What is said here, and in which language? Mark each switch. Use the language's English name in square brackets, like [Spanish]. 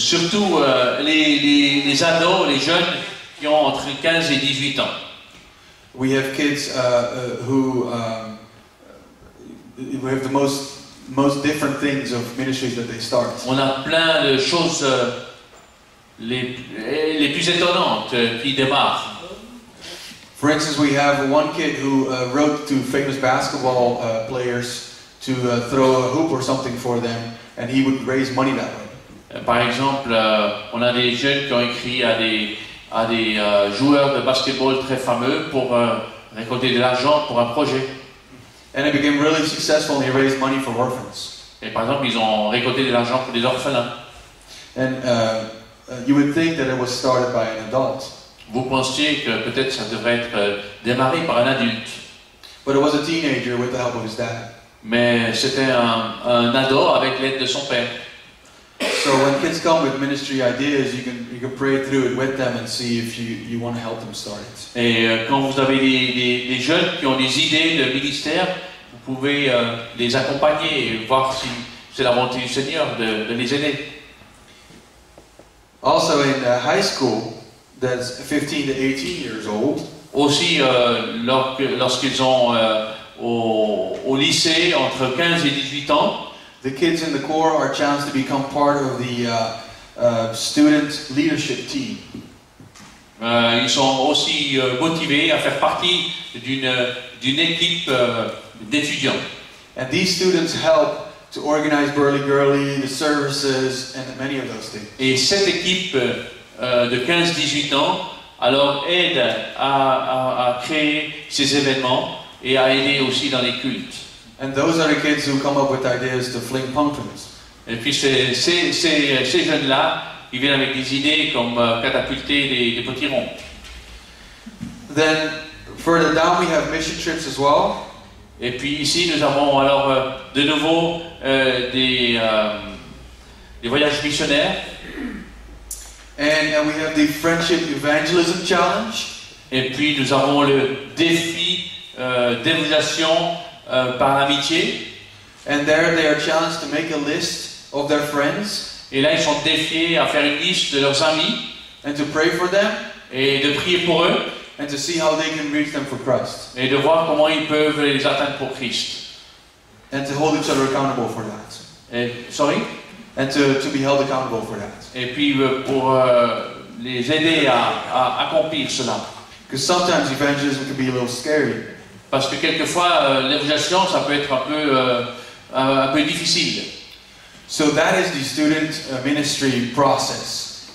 [French] Surtout les ados, les jeunes qui ont entre 15 et 18 ans. [English] We have kids who have the most different things of ministries that they start. [French] On a plein de choses les plus étonnantes qui démarrent. [English] For instance, we have one kid who wrote to famous basketball players to throw a hoop or something for them, and he would raise money that way. [French] Par exemple, on a des jeunes qui ont écrit à des joueurs de basketball très fameux pour récolter de l'argent pour un projet. [English] And it became really successful and he raised money for orphans. [French] Et par exemple, ils ont récolté de l'argent pour des orphelins. [English] And you would think that it was started by an adult. [French] Vous pensiez que peut-être ça devrait être démarré par un adulte. [English] But it was a teenager with the help of his dad. [French] Mais c'était un ado avec l'aide de son père. [English] So when kids come with ministry ideas, you can pray through it with them and see if you want to help them start it. [French] Et quand vous avez des jeunes qui ont des idées de ministère, vous pouvez les accompagner et voir si c'est la volonté du Seigneur de les aider. [English] Also in high school, that's 15 to 18 years old. [French] Aussi lorsqu'ils ont au lycée entre 15 et 18 ans. [English] The kids in the core are chance to become part of the student leadership team. [French] Ils sont aussi motivés à faire partie d'une équipe d'étudiants. [English] And these students help to organize Burley Girly, the services, and many of those things. [French] Et cette équipe de 15-18 ans alors aide à créer ces événements et à aider aussi dans les cultes. [English] And those are the kids who come up with ideas to fling pumpkins. [French] Et puis ces jeunes-là, ils viennent avec des idées comme catapulter des potirons. [English] Then further down we have mission trips as well. [French] Et puis ici nous avons alors de nouveau des voyages missionnaires. [English] And we have the friendship evangelism challenge. [French] Et puis nous avons le défi d'évangélisation par amitié. [English] And there they are challenged to make a list of their friends. [French] Et là ils sont défiés à faire une liste de leurs amis. [English] And to pray for them. [French] Et de prier pour eux. [English] And to see how they can reach them for Christ. [French] Et de voir comment ils peuvent les atteindre pour Christ. [English] And to hold each other accountable for that. And to be held accountable for that. [French] Et puis pour les aider à accomplir cela. [English] Because sometimes evangelism can be a little scary. [French] Parce que quelquefois l'évangélisation ça peut être un peu difficile. [English] So that is the student ministry process.